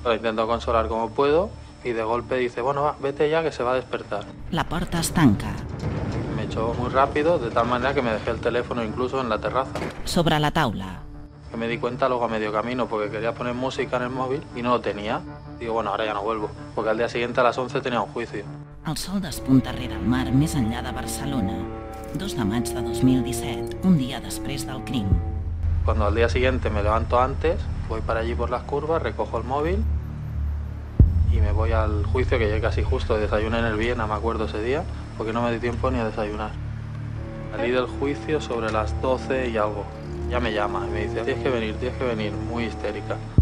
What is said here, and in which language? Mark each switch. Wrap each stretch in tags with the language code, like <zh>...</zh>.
<es>La intento consolar como puedo y de golpe dice, bueno, va, vete ya que se va a despertar. La puerta estanca. Me echó muy rápido, de tal manera que me dejé el teléfono incluso en la terraza.</es> <ca>Sobre la taula.</ca> <es>Que me di cuenta luego a medio camino porque quería poner música en el móvil y no lo tenía. Digo, bueno, ahora ya no vuelvo, porque al día siguiente a las 11 tenía un juicio.</es> <ca>El sol despunta rere el mar més enllà de Barcelona. 2 de maig de 2017, un dia després del crim.</ca> <es>Cuando al día siguiente me levanto antes, voy para allí por las curvas, recojo el móvil y me voy al juicio, que llegué casi justo, desayuné en el Viena, me acuerdo ese día, porque no me di tiempo ni a desayunar. Salí del juicio sobre las 12 y algo. Ya me llama y me dice, tienes que venir, muy histérica.</es>